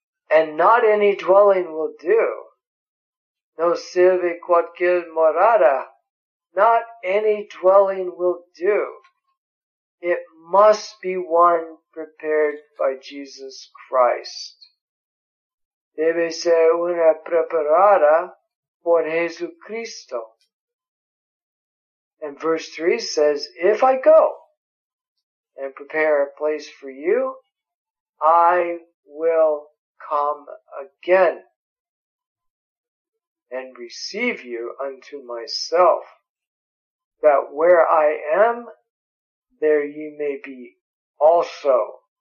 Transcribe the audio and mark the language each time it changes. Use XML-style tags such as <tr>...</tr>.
<en>And not any dwelling will do.</en> <es>No sirve qualquer morada.</es> <en>Not any dwelling will do. It must be one prepared by Jesus Christ.</en> <es>Debe ser una preparada por Jesucristo.</es> <en>And verse 3 says, if I go and prepare a place for you, I will come again and receive you unto myself, that where I am, there ye may be also.</en>